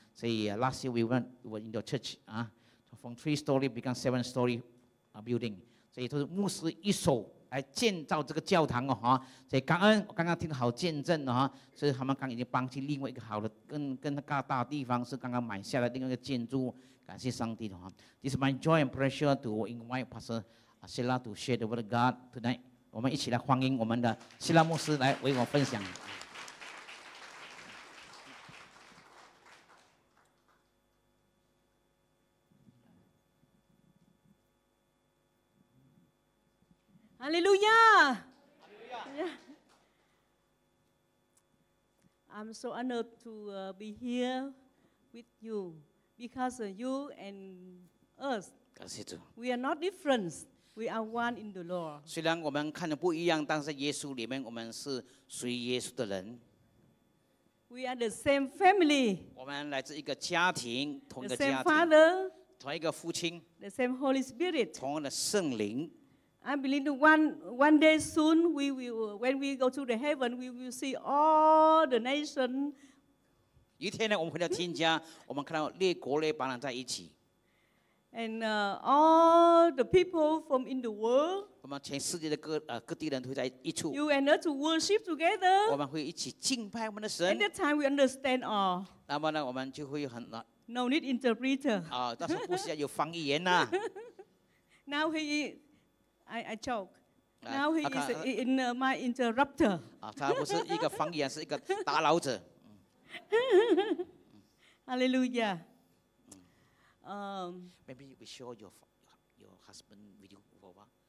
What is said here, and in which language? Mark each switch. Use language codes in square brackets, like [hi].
[zh] 所以 [en] last year we went into church 啊， from three story become seven story building， [zh] 所以都是牧师一手来建造这个教堂哦哈。所以感恩，我刚刚听了好见证哈，所以他们刚已经搬去另外一个好的更大的地方，是刚刚买下来另外一个建筑，感谢上帝的哈。 [en] This is my joy and pleasure to invite Pastor Sheila to share the word of God tonight。 [zh] 我们一起来欢迎我们的希拉牧师来为我分享。哈利路亚！ [en] 哈利路亚 ！I'm so honored to be here with you because you and us， [zh] 感谢主 [en] ，we are not different。 We are one in the Lord. [zh] 虽然我们看的不一样，但是耶稣里面我们是属于耶稣的人。 [en] We are the same family. [zh] 我们来自一个家庭，同一个家庭。 [en] The same Father. [zh] 同一个父亲。 [en] The same Holy Spirit. [zh] 同样的圣灵。 [en] I believe one day soon we will when we go to the heaven we will see all the nation. [zh] 一天呢，我们回到天家，我们看到列国列邦在一起。 [en] And all the people from in the world， [zh] 我们全世界的各地人都在一处。 [en] You and us to worship together， [zh] 我们会一起敬拜我们的神。 [en] At that time we understand all， [zh] 那么呢，我们就会很 [en] No need interpreter， [zh] 啊，但是不需要有翻译员呐。 [en] Now he， I joke。 Now he is in my interrupter。 [zh] 啊，他不是一个翻译员，是一个打扰者。 [en] Hallelujah。 Maybe we show your husband with you for a while.